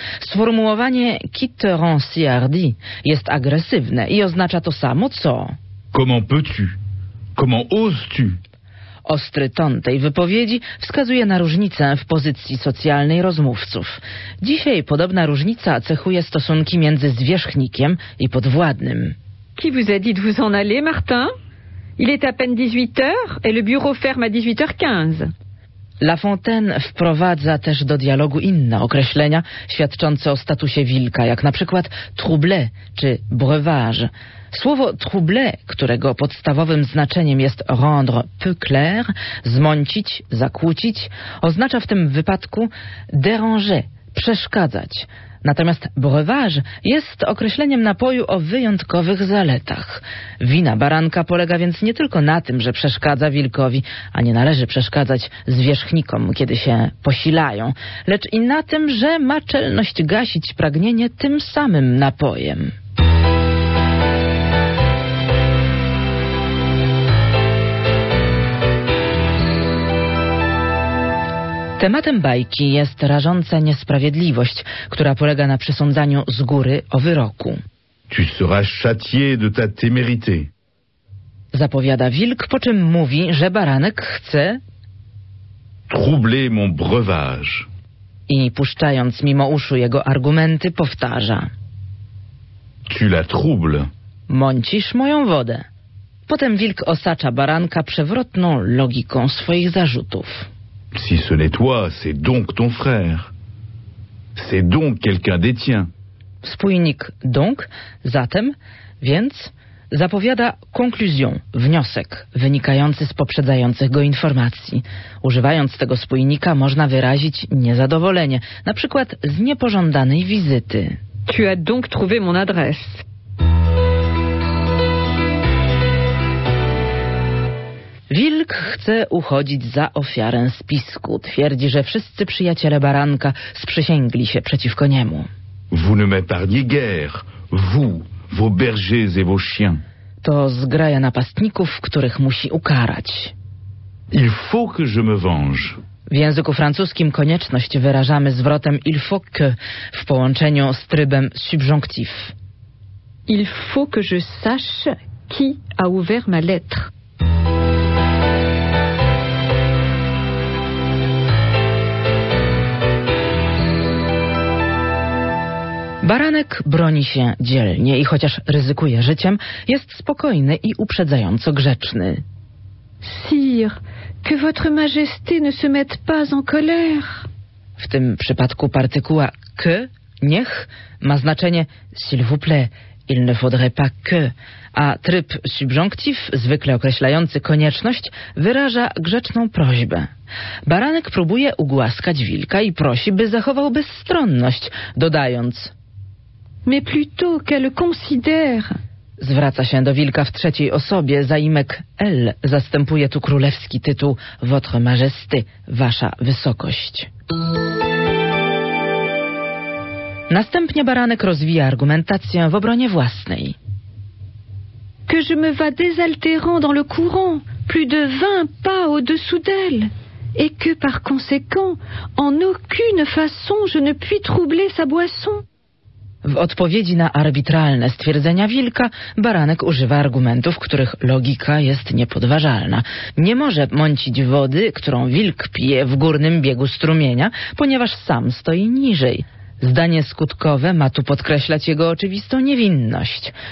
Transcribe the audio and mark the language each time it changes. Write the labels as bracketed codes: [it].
[pl] Sformułowanie [fr] qui te rend si hardi [pl] jest agresywne i oznacza to samo co... [fr] Comment peux-tu? Comment oses-tu? [pl] Ostry ton tej wypowiedzi wskazuje na różnicę w pozycji socjalnej rozmówców. Dzisiaj podobna różnica cechuje stosunki między zwierzchnikiem i podwładnym. [fr] Qui vous a dit de vous en aller, Martin? Il est à peine 18h et le bureau ferme à 18h15. [pl] La Fontaine wprowadza też do dialogu inne określenia świadczące o statusie wilka, jak na przykład trouble czy breuvage. Słowo trouble, którego podstawowym znaczeniem jest [fr] rendre peu clair, [pl] zmącić, zakłócić, oznacza w tym wypadku déranger, przeszkadzać. Natomiast breuvage jest określeniem napoju o wyjątkowych zaletach. Wina baranka polega więc nie tylko na tym, że przeszkadza wilkowi, a nie należy przeszkadzać zwierzchnikom, kiedy się posilają, lecz i na tym, że ma czelność gasić pragnienie tym samym napojem. Tematem bajki jest rażąca niesprawiedliwość, która polega na przesądzaniu z góry o wyroku. [fr] Tu seras châtié de ta témérité. [pl] Zapowiada wilk, po czym mówi, że baranek chce... [fr] troubler mon breuvage. [pl] I puszczając mimo uszu jego argumenty, powtarza. [fr] Tu la troubles. [pl] Mącisz moją wodę. Potem wilk osacza baranka przewrotną logiką swoich zarzutów. [fr] Si ce n'est toi, c'est donc ton frère. C'est donc quelqu'un des tiens. [pl] Spójnik donc, zatem, więc, zapowiada konkluzję, wniosek, wynikający z poprzedzających go informacji. Używając tego spójnika można wyrazić niezadowolenie, na przykład z niepożądanej wizyty. [fr] Tu as donc trouvé mon adresse. [pl] Wilk chce uchodzić za ofiarę spisku. Twierdzi, że wszyscy przyjaciele baranka sprzysięgli się przeciwko niemu. [fr] Vous ne m'épargnez guère, vous, vos bergers et vos chiens. [pl] To zgraja napastników, których musi ukarać. [fr] Il faut que je me venge. [pl] W języku francuskim konieczność wyrażamy zwrotem [fr] il faut que [pl] w połączeniu z trybem subjonctif. [fr] Il faut que je sache qui a ouvert ma lettre. [pl] Baranek broni się dzielnie i chociaż ryzykuje życiem, jest spokojny i uprzedzająco grzeczny. [fr] Sire, que votre majesté ne se mette pas en colère. [pl] W tym przypadku partykuła que, niech, ma znaczenie [fr] s'il vous plaît, il ne faudrait pas que, [pl] a tryb subjonctif, zwykle określający konieczność, wyraża grzeczną prośbę. Baranek próbuje ugłaskać wilka i prosi, by zachował bezstronność, dodając... [fr] Mais plutôt qu'elle considère. [pl] Zwraca się do wilka w trzeciej osobie. Zaimek L zastępuje tu królewski tytuł Votre Majesté, Wasza Wysokość. Następnie baranek rozwija argumentację w obronie własnej. [fr] Que je me vas désaltérant dans le courant, plus de 20 pas au-dessous d'elle. Et que par conséquent, en aucune façon je ne puis troubler sa boisson. [pl] W odpowiedzi na arbitralne stwierdzenia wilka, baranek używa argumentów, których logika jest niepodważalna. Nie może mącić wody, którą wilk pije w górnym biegu strumienia, ponieważ sam stoi niżej. Zdanie skutkowe ma tu podkreślać jego oczywistą niewinność.